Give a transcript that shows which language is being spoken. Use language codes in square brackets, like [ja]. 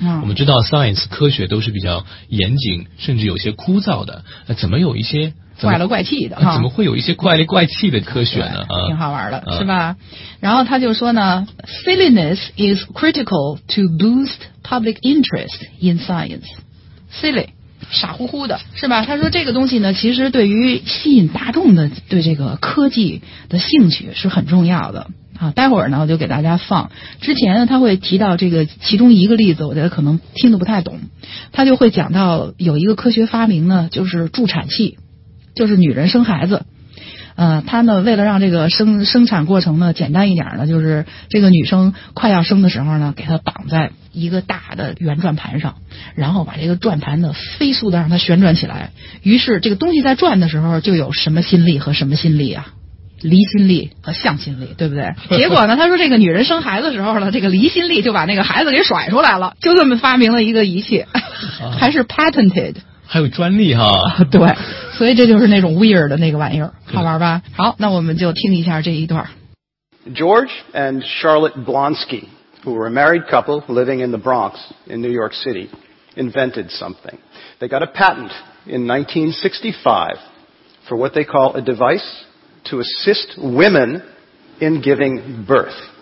[zh] 我们知道 science 科学都是比较严谨甚至有些枯燥的。怎么有一些怪了怪气的、怎么会有一些怪了怪气的科学呢、挺好玩的、是吧。然后他就说呢 [en] silliness is critical to boost public interest in science. Silly. [zh] 傻乎乎的是吧，他说这个东西呢其实对于吸引大众的对这个科技的兴趣是很重要的啊。待会儿呢我就给大家放之前他会提到这个其中一个例子，我觉得可能听得不太懂，他就会讲到有一个科学发明呢就是助产器，就是女人生孩子，他呢为了让这个生产过程呢简单一点呢，就是这个女生快要生的时候呢给她绑在一个大的圆转盘上，然后把这个转盘呢飞速的让它旋转起来，于是这个东西在转的时候就有什么心力和什么心力啊，离心力和向心力，对不对？结果呢他说这个女人生孩子的时候呢这个离心力就把那个孩子给甩出来了，就这么发明了一个仪器，还是 patented。还有专利哈、对，所以这就是那种 weird 的那个玩意儿，好玩吧？好，那我们就听一下这一段。 [en] George and Charlotte Blonsky, who were a married couple living in the Bronx in New York City, invented something. They got a patent in 1965 for what they call a device to assist women in giving birth.